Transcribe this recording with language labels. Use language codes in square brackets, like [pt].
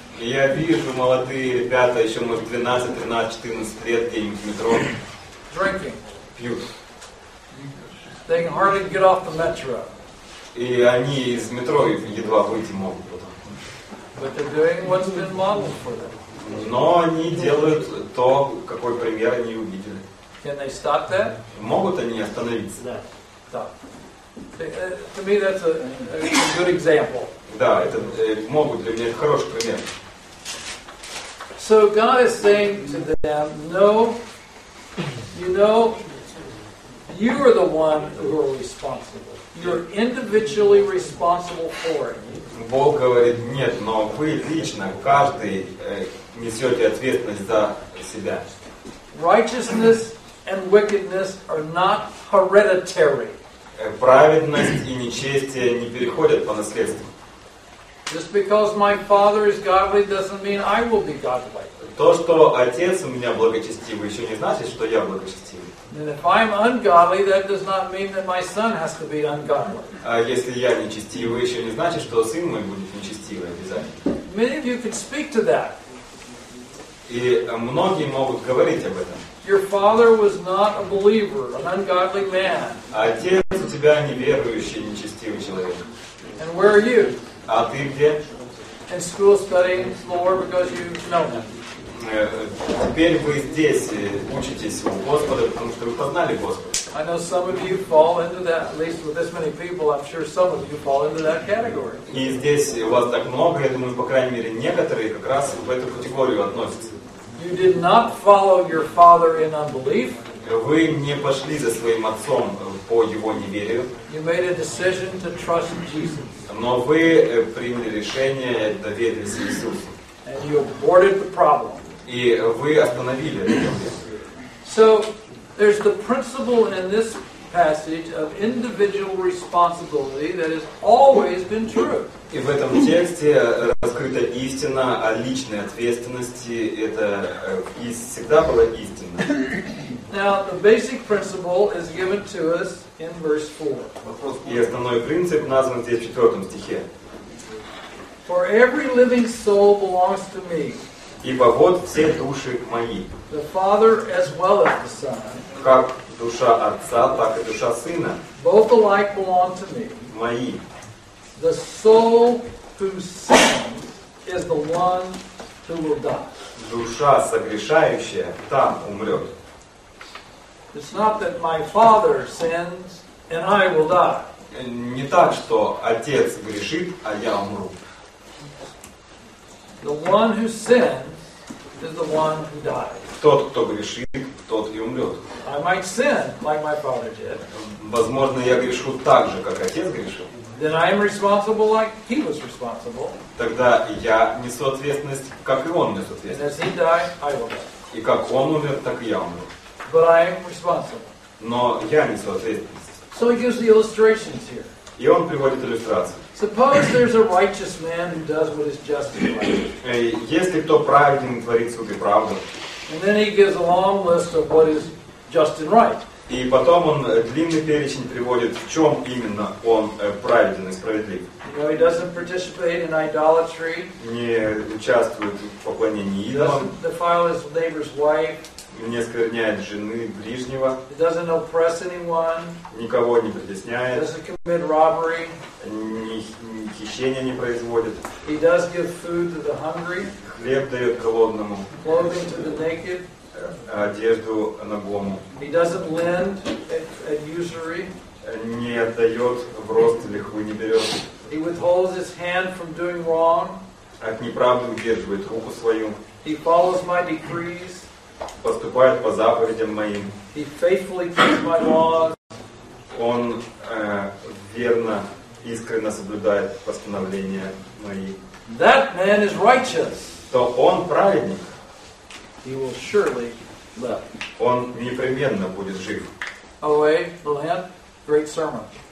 [ru] Я вижу молодые ребята, еще может 12, 13, 14 лет где-нибудь в метро. [en] Drinking. [ru] Пьют. [en] They can hardly get off the metro. [ru] И они из метро едва выйти могут. [en] But they're doing what's been modeled for them. [ru] Но они делают то, какой пример они увидели. [en] Can they stop that? [ru] Могут они остановиться? Да. [en] Stop. To me, that's a good example. [ru] Да, это мог для меня хороший пример. [en] So God is saying to them, no, you know, you are the one who are responsible. You're individually responsible for it. [ru] Бог говорит, нет, но вы лично, каждый несете ответственность за себя. [en] Righteousness and wickedness are not hereditary. [ru] Праведность и нечестие не переходят по наследству. [en] Just because my father is godly doesn't mean I will be godly. [ru] То, что отец у меня благочестивый, еще не значит, что я благочестивый. [en] And if I'm ungodly, that does not mean that my son has to be ungodly. [ru] А если я нечестивый, еще не значит, что сын мой будет нечестивый обязательно. [en] Many of you could speak to that. [ru] И многие могут говорить об этом. [en] Your father was not a believer, an ungodly man. [ru] Отец у тебя неверующий, нечестивый человек. [en] And where are you? [ru] А ты где? [en] In school studying more because you know him. [ru] Теперь вы здесь учитесь у Господа, потому что вы познали Господа. [en] I know some of you fall into that, at least with this many people, I'm sure some of you fall into that category. [ru] И здесь у вас так много, я думаю, по крайней мере, некоторые как раз в эту категорию относятся. [en] You did not follow your father in unbelief. [ru] Вы не пошли за своим отцом по его неверию. [en] You made a decision to trust Jesus. [ru] Но вы приняли решение довериться Иисусу. [en] And you aborted the problem. [ru] И вы остановили [en] So there's the principle in this passage of individual responsibility that has always been true. [ru] И в этом тексте раскрыта истина о личной ответственности. Это всегда была истина. [en] Now the basic principle is given to us in verse 4. [ru] И основной принцип назван здесь в 4 стихе. [en] For every living soul belongs to me. [ru] Ибо вот все души мои. [en] The Father as well as the Son. [ru] Как душа отца, так и душа сына. [en] Both alike belong to me. [ru] Мои. [en] The soul who sins is the one who will die. [ru] Душа согрешающая, та умрет. [en] It's not that my father sins and I will die. [ru] Не так, что отец грешит, а я умру. [en] The one who sins is the one who dies. [ru] Тот, кто грешит, тот и умрет. [en] I might sin like my father did. [ru] Возможно, я грешу так же, как отец грешил. [en] Then I am responsible like he was responsible. [ru] Тогда я несу ответственность, как и он несет ответственность. [en] And as he died, I will die. [ru] И как он умер, так и я умру. [en] But I am responsible. [ru] Но я несу ответственность. [en] So he gives the illustrations here. [ru] И он приводит иллюстрацию. [en] Suppose there's a righteous man who does what is just and right. [ru] Если кто праведен, творит суд и правду. [en] And then he gives a long list of what is just and right. [ru] И потом он длинный перечень приводит, в чем именно он праведен и справедлив. [en] You know, he doesn't participate in idolatry. [ru] Не участвует в поклонении идолам. [en] Doesn't defile his neighbor's wife. [ru] Не оскверняет жены ближнего. [en] He doesn't oppress anyone. [ru] Никого не притесняет. [en] He doesn't commit robbery. [ru] Ни хищения не производит. [en] He does give food to the hungry. [ru] Хлеб дает голодному. [en] Clothing to the naked. [ru] Одежду нагому. [en] He doesn't lend at usury. [ru] Не отдает в рост лихвы, не берет. [en] He withholds his hand from doing wrong. [ru] От неправды удерживает руку свою. [en] He follows my decrees. [ru] Поступает по заповедям моим. [en] He faithfully keeps my laws. [ru] Он верно, искренно соблюдает постановления мои. [en] That man is righteous. [ru] То он праведник. [en] He will surely live. [ru] Он непременно будет жив. [en] Away, Milan, great sermon.